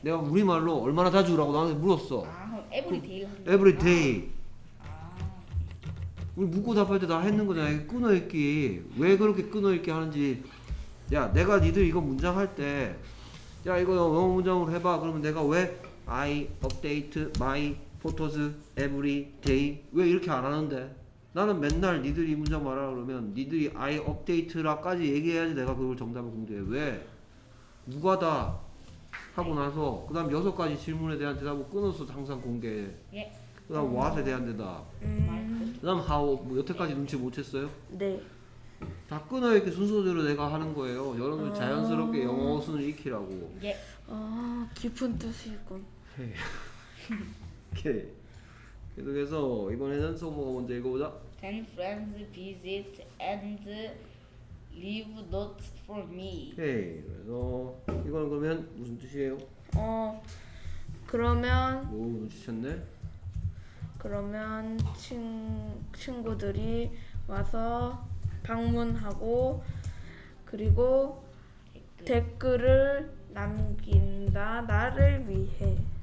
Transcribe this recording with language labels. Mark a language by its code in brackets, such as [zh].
[ko] 내가 우리말로 얼마나 자주? 라고 나한테 물었어. 아, [en] every day. Every day. [ko] 우리 묻고 답할 때 다 했는 거잖아. 끊어 읽기. 왜 그렇게 끊어 읽기 하는지. 야, 내가 니들 이거 문장 할 때, 야, 이거 영어 문장으로 해봐. 그러면 내가 왜 [en] I update my photos every day? [ko] 왜 이렇게 안 하는데? 나는 맨날 니들이 문장 말하라 그러면 니들이 [en] I update [ko] 라까지 얘기해야지 내가 그걸 정답을 공부해. 왜? 누가다 하고 나서 그 다음 여섯 가지 질문에 대한 대답을 끊어서 항상 공개. 예. 그 다음 what에 대한 대답. 그 다음 how. 뭐 여태까지 눈치 못 챘어요? 네. 다 끊어 이렇게 순서대로 내가 하는 거예요. 여러분 자연스럽게 영어 순을 익히라고. 예. 아, 깊은 뜻이군. 오케이. 오케이. 계속해서 이번에는 성모가 먼저 읽어보자. [en] Ten friends visit and leave notes for me. [ko] 오케이. 그래서 이거는 그러면 무슨 뜻이에요? 그러면 오, 눈치챘네. 그러면 친구들이 와서 방문하고 그리고 댓글을 남긴다 나를 위해.